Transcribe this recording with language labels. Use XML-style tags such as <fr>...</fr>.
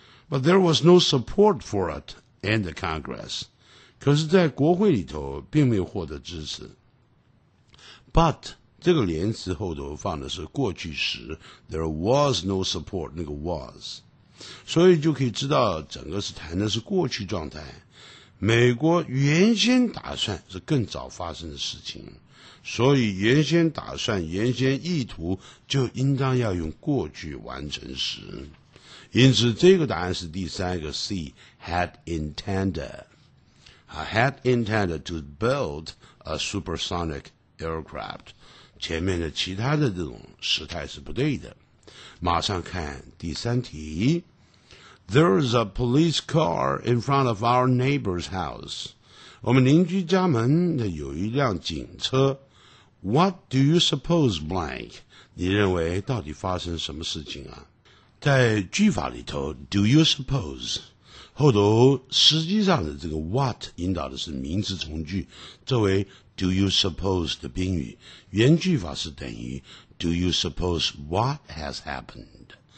<en>But there was no support for it in the Congress.</en> <zh>可是在国会里头并没有获得支持。 But, 这个连词后头放的是过去时</zh> <en>there was no support,</en> <zh>那个 was. 所以就可以知道整个是谈的是过去状态。美国原先打算是更早发生的事情，所以原先打算、原先意图就应当要用过去完成时。因此，这个答案是第三个 C</zh> <en>had intended. I had intended to build a supersonic aircraft.</en> <zh>前面的其他的这种时态是不对的。马上看第三题。</zh> <en>There's a police car in front of our neighbor's house.</en> <zh>我们邻居家门有一辆警车。</zh> <en>What do you suppose, blank?</en> <zh>你认为到底发生什么事情啊？在句法里头 ,</zh> <en>do you suppose?</en> <zh>后头实际上的这个 what 引导的是名词从句，作为 do you suppose 的宾语，原句法是等于</zh> <en>do you suppose what has happened?</en>